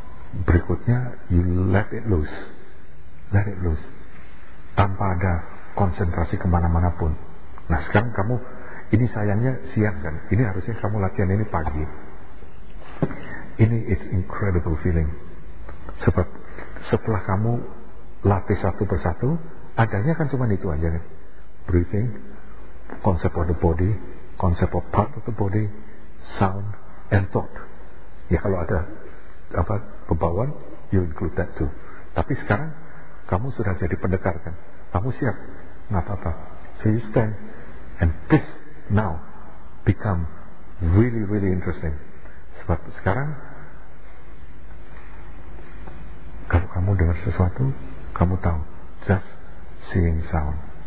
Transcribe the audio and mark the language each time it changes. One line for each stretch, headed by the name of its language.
Indonesian: Berikutnya
English: you let it loose. Let it loose
Indonesian: tanpa ada konsentrasi kemana-mana pun. Nah sekarang kamu, ini sayangnya siang kan, ini harusnya kamu latihan ini pagi.
English: Ini is incredible feeling.
Indonesian: Sebab setelah kamu latih satu persatu, adanya kan cuma itu aja kan?
English: Breathing, concept of the body, concept of part of the body, sound and thought.
Indonesian: Ya kalau ada apa bebauan,
English: you include that too.
Indonesian: Tapi sekarang kamu sudah jadi pendekar kan, kamu siap, nggak apa-apa.
English: So you stand and this now become really really interesting.
Indonesian: Sebab sekarang kalau kamu dengar sesuatu, kamu tahu
English: just seeing sound.